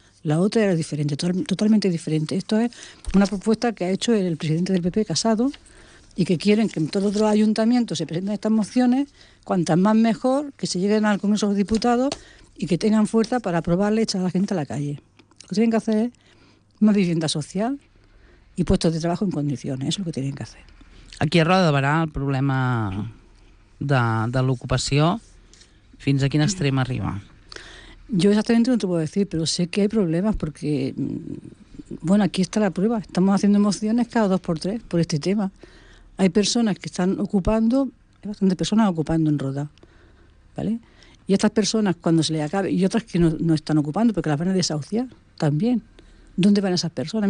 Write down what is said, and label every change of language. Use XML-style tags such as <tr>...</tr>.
<es>La otra era diferente, totalmente diferente. Esto es una propuesta que ha hecho el presidente del PP, Casado, y que quieren que en todos los ayuntamientos se presenten estas mociones, cuantas más mejor, que se lleguen al Congreso de los Diputados y que tengan fuerza para aprobarle echar a la gente a la calle. Lo que tienen que hacer es más vivienda social y puestos de trabajo en condiciones. Eso es lo que tienen que hacer.</es> <ca>Aquí a Roda de Barà, el problema de l'ocupació, fins a quin extrem arriba?</ca> <es>Yo exactamente no te puedo decir, pero sé que hay problemas porque, bueno, aquí está la prueba. Estamos haciendo mociones cada dos por tres por este tema. Hay personas que están ocupando, hay bastantes personas ocupando en Roda, ¿vale? Y estas personas, cuando se les acabe, y otras que no están ocupando, porque las van a desahuciar también. ¿Dónde van esas personas?</es>